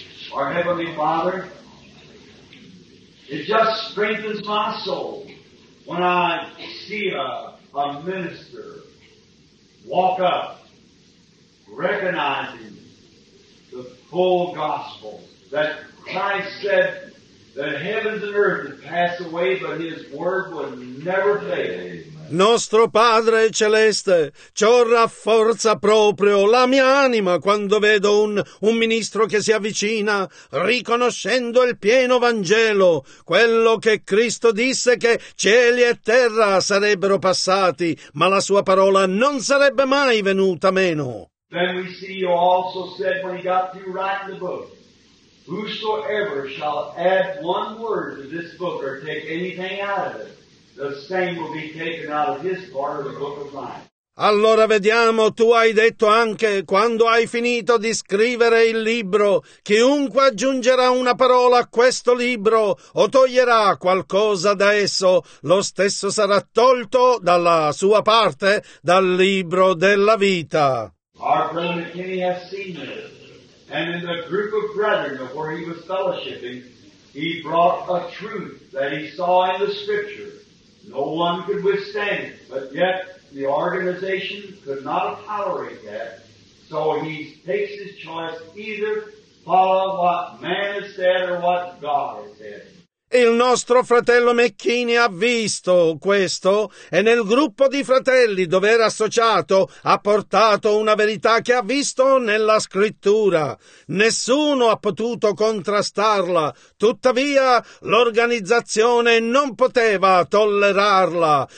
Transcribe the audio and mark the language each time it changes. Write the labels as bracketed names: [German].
[English] Our Heavenly Father, it just strengthens my soul when I see a minister walk up, recognizing the full gospel, that Christ said that heavens and earth would pass away, but his word would never fail. [Italian] Nostro Padre Celeste, ciò rafforza proprio la mia anima quando vedo un ministro che si avvicina, riconoscendo il pieno Vangelo, quello che Cristo disse che cieli e terra sarebbero passati, ma la sua parola non sarebbe mai venuta meno. [English] Then we see you also said when he got through writing the book, whosoever shall add one word to this book or take anything out of it, the same will be taken out of his part of the book of life. [Italian] Allora vediamo, tu hai detto anche, quando hai finito di scrivere il libro, chiunque aggiungerà una parola a questo libro o toglierà qualcosa da esso, lo stesso sarà tolto dalla sua parte dal libro della vita. [English] Our friend McKinney has seen this, and in the group of brethren before he was fellowshipping, he brought a truth that he saw in the scripture. No one could withstand it, but yet the organization could not tolerate that. So he takes his choice, either follow what man has said or what God has said. [Italian] Il nostro fratello McKinney ha visto questo e nel gruppo di fratelli dove era associato ha portato una verità che ha visto nella scrittura. Nessuno ha potuto contrastarla, tuttavia l'organizzazione non poteva tollerarla.